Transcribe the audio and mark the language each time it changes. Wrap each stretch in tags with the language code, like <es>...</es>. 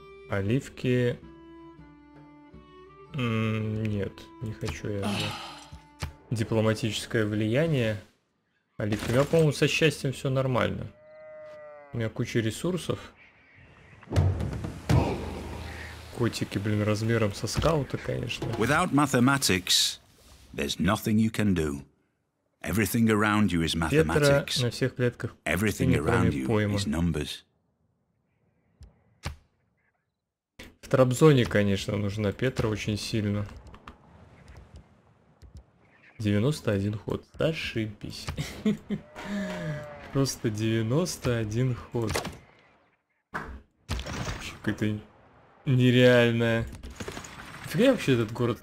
<ru>Оливки... нет, не хочу я. Да. Дипломатическое влияние. Алик, у меня, по-моему, со счастьем все нормально. У меня куча ресурсов. Котики, блин, размером со скаута, конечно.</ru> <en>Without mathematics, there's nothing you can do. Everything around you is mathematics.</en> <ru>На всех клетках.</ru> <en>Everything around you is numbers.</en> <ru>В Трабзоне, конечно, нужна Петра очень сильно. 91 ход. Зашибись. Просто 91 ход. Вообще какая-то нереальная. Фига вообще этот город?</ru>